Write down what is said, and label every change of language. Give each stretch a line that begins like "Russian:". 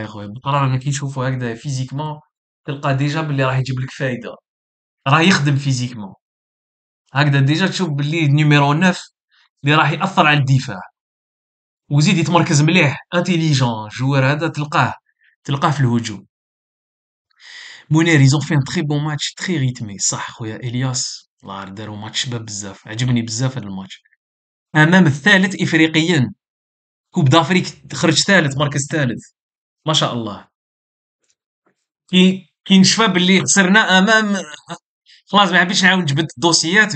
Arabic: يا خويا بقرار انا كي نشوفه هكذا فيزيكمون تلقى ديجا باللي راح يجيب لك فايده، راه يخدم فيزيكمون هكذا، ديجا تشوف باللي نيميرو 9 اللي راح ياثر على الدفاع، وزيد يتمركز مليح انتيليجون جوار، هذا تلقاه في الهجوم.
French: مونير ils ont fait un très bon match très rythmé.
Arabic: صح خويا الياس، الله داروا ماتش شباب بزاف، عجبني بزاف هذا الماتش. امام الثالث افريقيا، كوب دافريك خرج ثالث، مركز ثالث، ما شاء الله. كي نشفى باللي خسرنا امام، خلاص ما حبيتش نعاود نجبد الدوسيات.